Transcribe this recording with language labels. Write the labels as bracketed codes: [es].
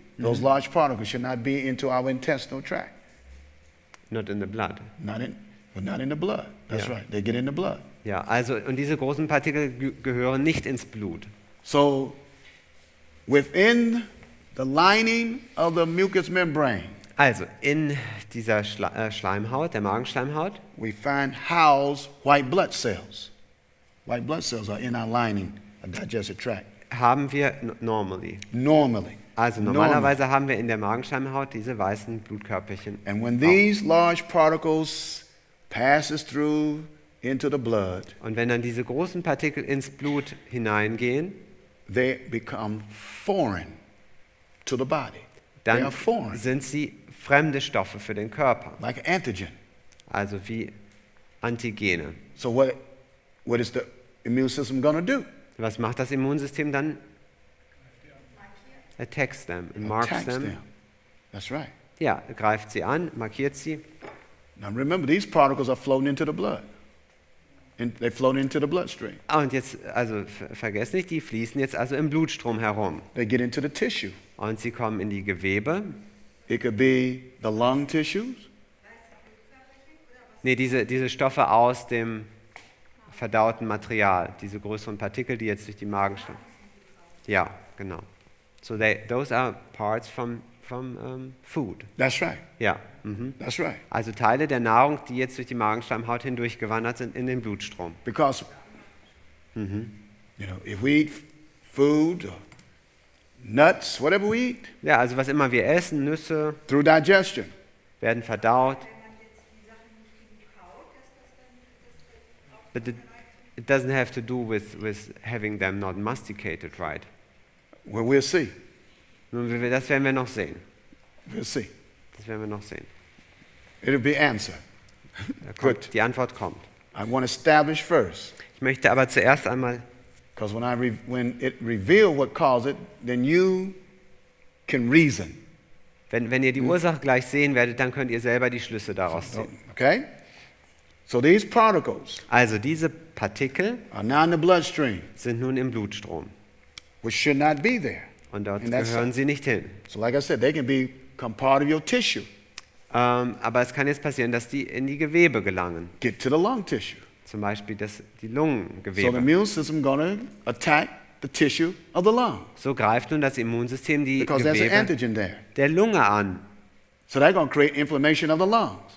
[en] Those large particles should not be into our intestinal tract. Not in the blood. Not in the blood. That's yeah. Right. They get in the blood. [de] Ja, also und diese großen Partikel gehören nicht ins Blut. [en] So within the lining of the mucous membrane. [de] Also in dieser Schleimhaut, der Magenschleimhaut, [en] we find housed white blood cells. White blood cells are in our lining, our digestive tract. [de] Haben wir [en] normally. Normally. [de] Also normalerweise haben wir in der Magenschleimhaut diese weißen Blutkörperchen. [en] And when these large particles passes through into the blood. [de] Und wenn dann diese großen Partikel ins Blut hineingehen, [en] they become foreign to the body. [de] Dann sind sie fremde Stoffe für den Körper. [en] Like antigen. [de] Also wie Antigene. [en] So what is the immune system going to do? [de] Was macht das Immunsystem dann? [en] Attacks them and marks them. That's right. [de] Ja, greift sie an, markiert sie. [en] Now remember, these particles are floating into the blood. And they flow into the bloodstream. [de] Ah, und jetzt, also vergesst nicht, die fließen jetzt also im Blutstrom herum. [en] They get into the tissue. [de] Und sie kommen in die Gewebe. [en] It could be the lung tissues. [de] Nee, diese Stoffe aus dem verdauten Material, diese größeren Partikel, die jetzt durch die Magenschleim. Ja, genau. [en] So those are parts from food. That's right. [de] Ja. [en] That's right. [de] Also Teile der Nahrung, die jetzt durch die Magenschleimhaut hindurchgewandert sind in den Blutstrom. [en] Because you know, if we eat food or nuts, whatever we eat. [de] Ja, also was immer wir essen, Nüsse. [en] Through digestion. [de] Werden verdaut. [en] But it doesn't have to do with having them not masticated, right? Well, we'll see. [de] Nun, das werden wir noch sehen. [en] We'll see. [de] Das werden wir noch sehen. [en] It'll be answered. [de] Gut. Die Antwort kommt. [en] I want to establish first. [de] Ich möchte aber zuerst einmal. [en] Because when it reveals what caused it, then you can reason. [de] Wenn ihr die Ursache gleich sehen werdet, dann könnt ihr selber die Schlüsse daraus ziehen. [en] Okay. So these particles. [de] Also diese Partikel. [en] Are now in the bloodstream. [de] Sind nun im Blutstrom. [en] Which should not be there. [de] Und dort gehören sie nicht hin. [en] So like I said, they can become part of your tissue. [de] Aber es kann jetzt passieren, dass die in die Gewebe gelangen. [en] Get to the lung tissue. [de] Zum Beispiel die Lungengewebe. [en] So the immune system gonna attack the tissue of the lung. [de] So greift nun das Immunsystem die [en] Because [de] Gewebe [en] there's an antigen there. [de] Der Lunge an. [en] So they're gonna create inflammation of the lungs.